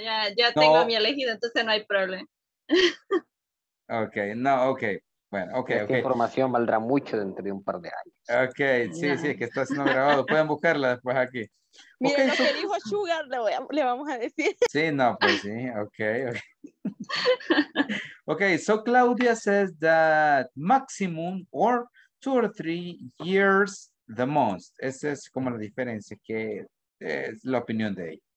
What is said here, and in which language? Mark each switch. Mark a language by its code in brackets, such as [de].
[es] Ya tengo mi elegida, entonces no hay problema. Okay, no, okay. Bueno, okay, esta información valdrá mucho dentro de un par de años. Ok, sí, sí, que está siendo grabado. Pueden buscarla después aquí. Miren, okay, lo que dijo Sugar, le vamos a decir. Sí, no, pues sí, ok. Okay. [en] Ok, so Claudia says that maximum or two or three years the most. [es] Esa es como la diferencia, que es la opinión de ella.